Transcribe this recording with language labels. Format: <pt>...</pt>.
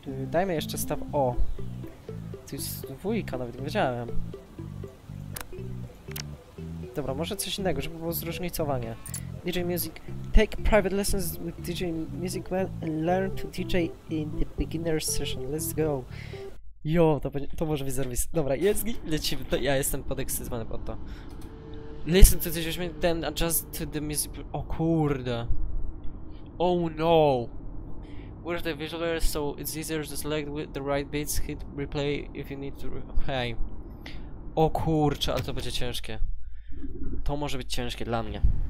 <pl>Dajmy jeszcze staw. O! To jest dwójka, nawet nie wiedziałem. Dobra, może coś innego, żeby było zróżnicowanie. DJ Music.</pl> <en>Take private lessons with DJ Music Man and learn to DJ in the beginner session. Let's go.</en> <pl>Jo, to może być serwis. Dobra, lecimy. To ja jestem podekscytowany pod to.</pl> <en>Listen to DJ Music Man and adjust to the music.</en> <pl>O kurde.</pl> <en>Oh no. Where the visualizer, so it's easier to select with the right beats, hit replay if you need to.</en> <pl>Okej. O kurcze, ale to będzie ciężkie. To może być ciężkie dla mnie.</pl>